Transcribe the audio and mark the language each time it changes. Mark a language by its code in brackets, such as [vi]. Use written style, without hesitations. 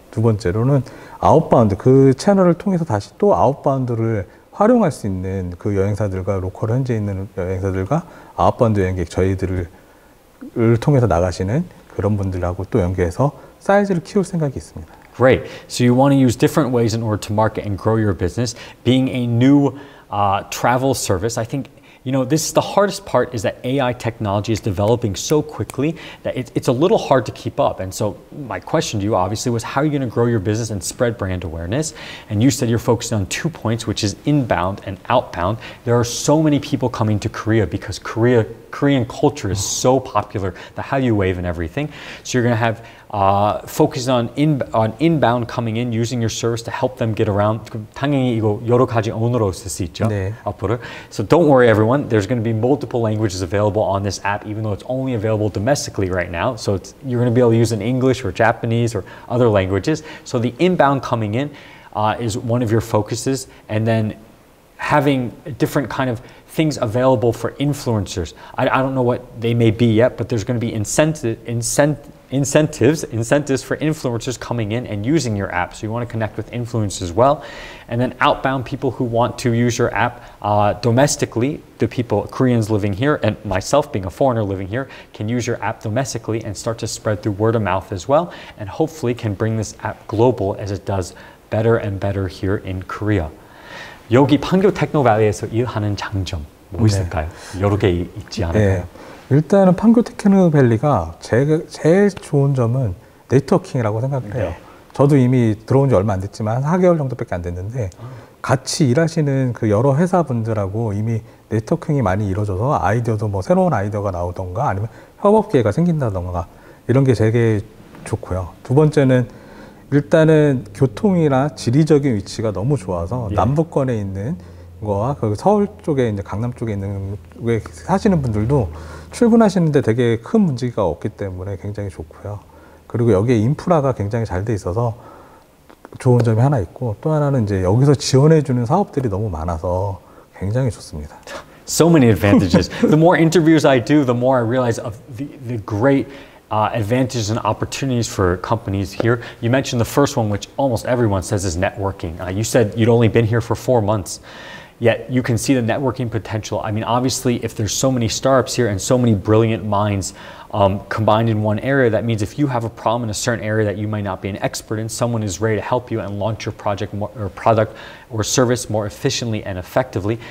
[ko] 두 번째로는 아웃바운드 그 채널을 통해서 다시 또 아웃바운드를 활용할 수 있는 그 여행사들과 로컬 현지에 있는 여행사들과 아웃바운드 여행객 저희들을 통해서 나가시는 그런 분들하고 또 연계해서 사이즈를 키울 생각이 있습니다. [en] Great. So you want to use different ways in order to market and grow your business. Being a new travel service, I think, you know, this is the hardest part is that AI technology is developing so quickly that it's a little hard to keep up. And so my question to you obviously was how are you going to grow your business and spread brand awareness? And you said you're focused on two points, which is inbound and outbound. There are so many people coming to Korea because Korean culture is so popular, the Hallyu wave and everything. So you're going to have focus on inbound coming in, using your service to help them get around. [ko] 당연히 이거 여러 가지 언어로 쓸 수 있죠, 앞으로. [en] So don't worry, everyone. There's going to be multiple languages available on this app, even though it's only available domestically right now. So you're going to be able to use in English or Japanese or other languages. So the inbound coming in is one of your focuses. And then having a different kind of things available for influencers. I don't know what they may be yet, but there's going to be incentives for influencers coming in and using your app. So you want to connect with influencers as well. And then outbound people who want to use your app domestically, the people, Koreans living here, and myself being a foreigner living here, can use your app domestically and start to spread through word of mouth as well, and hopefully can bring this app global as it does better and better here in Korea. [ko] 여기 판교 테크노밸리에서 일하는 장점 뭐 있을까요? 네. 여러 개 있지 않을까요? 네. 일단은 판교 테크노밸리가 제일 좋은 점은 네트워킹이라고 생각해요. 네. 저도 이미 들어온 지 얼마 안 됐지만 4개월 정도밖에 안 됐는데 같이 일하시는 그 여러 회사분들하고 이미 네트워킹이 많이 이루어져서 아이디어도 뭐 새로운 아이디어가 나오던가 아니면 협업 기회가 생긴다던가 이런 게 되게 좋고요. 두 번째는 일단은 교통이나 지리적인 위치가 너무 좋아서 예. 남부권에 있는 거와 그 서울 쪽에 이제 강남 쪽에 있는 거에 사시는 분들도 출근하시는데 되게 큰 문제가 없기 때문에 굉장히 좋고요. 그리고 여기에 인프라가 굉장히 잘 돼 있어서 좋은 점이 하나 있고 또 하나는 이제 여기서 지원해 주는 사업들이 너무 많아서 굉장히 좋습니다. [en] So many advantages. The more interviews I do, the more I realize of the great advantages and opportunities for companies here. You mentioned the first one, which almost everyone says is networking. You said you'd only been here for 4 months, yet you can see the networking potential. I mean, obviously, if there's so many startups here and so many brilliant minds combined in one area, that means if you have a problem in a certain area that you might not be an expert in, someone is ready to help you and launch your project or product or service more efficiently and effectively.